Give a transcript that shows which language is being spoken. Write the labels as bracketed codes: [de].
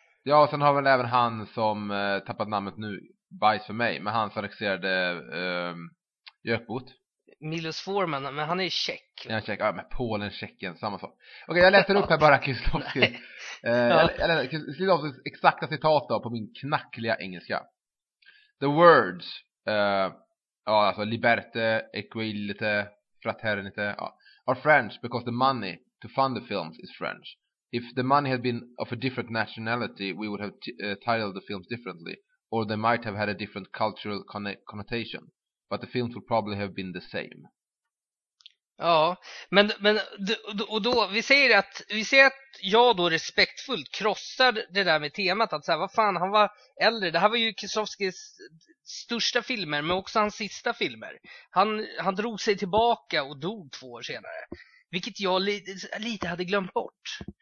[sv] Ja, och sen har väl även han som tappat namnet nu, bajs för mig, men han som regisserade Jökbot. Milos Forman, men han är ju tjeck. Ja, tjeck. Ja, men Polen, Tjeckien, samma sak. Okej, jag läser upp här bara Kieslowski. Kieslowskis exakta citat då på min knackliga engelska. [en] The words, alltså liberte, equilite, fraternite, are French because the money to fund the films is French. If the money had been of a different nationality, we would have titled the films differently, or they might have had a different cultural connotation, but the films would probably have been the same. [sv] Ja, men och då vi säger att jag då respektfullt krossar det där med temat, att säga vad fan, han var äldre. Det här var ju Kieslowskis största filmer, men också hans sista filmer. Han drog sig tillbaka och dog 2 år senare. Vilket jag lite hade glömt bort.